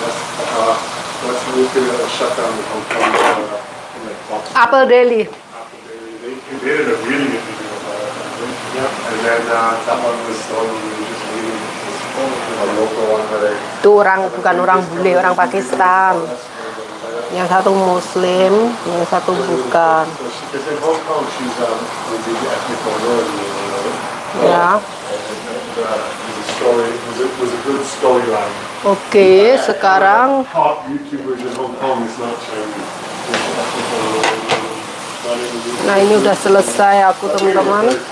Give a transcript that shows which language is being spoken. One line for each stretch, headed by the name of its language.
English: That's the movie that was shut down in Hong Kong. Apple Daily. They did a really good video about it. Yeah. And then that one was only just reading this a local one that I...
Indonesian: Itu orang, bukan orang bule, orang Pakistan. Yang satu Muslim, yang satu bukan.
English: Because in Hong Kong, she's a big ethnic minority, you know? Yeah. It was a good storyline.
Indonesian: Okay, sekarang...
English: The top YouTubers in Hong Kong is not Chinese.
Indonesian: Nah, ini udah selesai aku teman-teman.